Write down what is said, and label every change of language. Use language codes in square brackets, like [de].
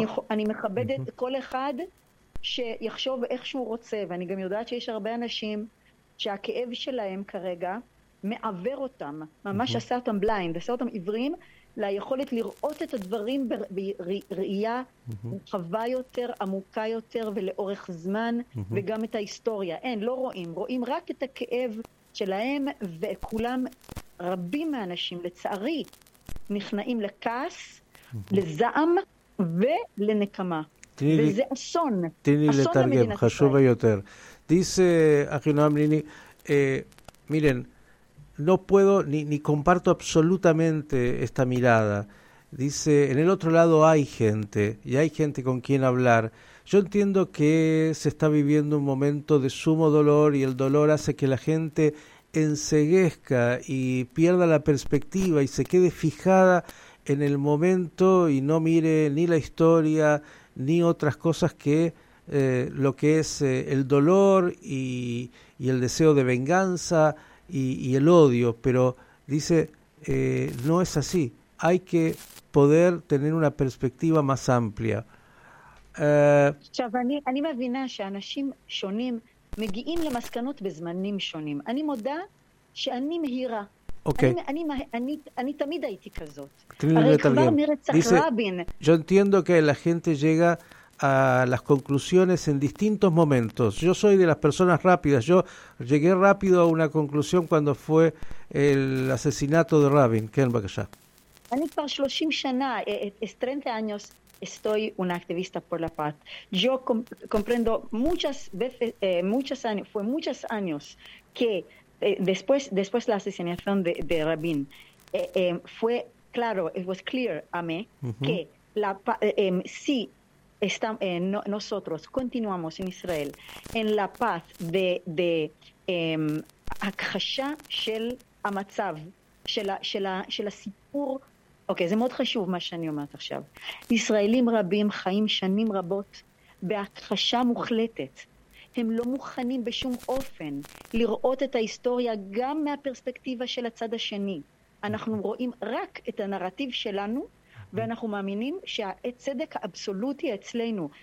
[he] אני מכבדת כל אחד שיחשוב איך שהוא רוצה, ואני גם יודעת שיש הרבה אנשים שהכאב שלהם כרגע מעבר אותם, ממש עשה אותם בליינד, עשה אותם עיוורים, ליכולת לראות את הדברים בראייה רחבה יותר, עמוקה יותר ולאורך זמן, וגם את ההיסטוריה. אין, לא רואים. רואים רק את הכאב שלהם, וכולם, רבים מהאנשים, לצערי, נכנעים לכעס, לזעם ולנקמה. וזה אסון. תני לתרגם, חשוב יותר. [es] דיס, אחינועם ליני, מילן, no puedo ni comparto absolutamente esta mirada. Dice, en el otro lado hay gente y hay gente con quien hablar. Yo entiendo que se está viviendo un momento de sumo dolor y el dolor hace que la gente enseguezca y pierda la perspectiva y se quede fijada en el momento y no mire ni la historia ni otras cosas que lo que es el dolor y el deseo de venganza y el odio, pero dice, no es así, hay que poder tener una perspectiva más amplia. [he] עכשיו, אני מבינה שאנשים שונים מגיעים למסקנות בזמנים שונים. אני מודה שאני מהירה. [en] Okay. [he] אני תמיד הייתי כזאת. הרי כבר מרצח רבין. [es] Dice, yo entiendo que la gente llega a las conclusiones en distintos momentos. Yo soy de las personas rápidas. Yo llegué rápido a una conclusión cuando fue el asesinato de Rabin. ¿Qué va a pasar? [he] אני כבר 30 שנה, [es] 30 años, estoy una activista por la paz. Yo comprendo muchas veces, muchos años, fue muchos años que después la asesinación de Rabin, fue claro, [en] it was clear [es] a mí que la sí estamos nosotros continuamos en Israel en la paz de [he] הכחשה של המצב של של של הסיפור. אוקיי, זה מאוד חשוב מה שאני אומרת עכשיו. ישראלים רבים חיים שנים רבות בהכחשה מוחלטת. הם לא מוכנים בשום אופן לראות את ההיסטוריה גם מהפרספקטיבה של הצד השני. אנחנו רואים רק את הנרטיב שלנו, ואנחנו מאמינים שהצדק האבסולוטי אצלנו.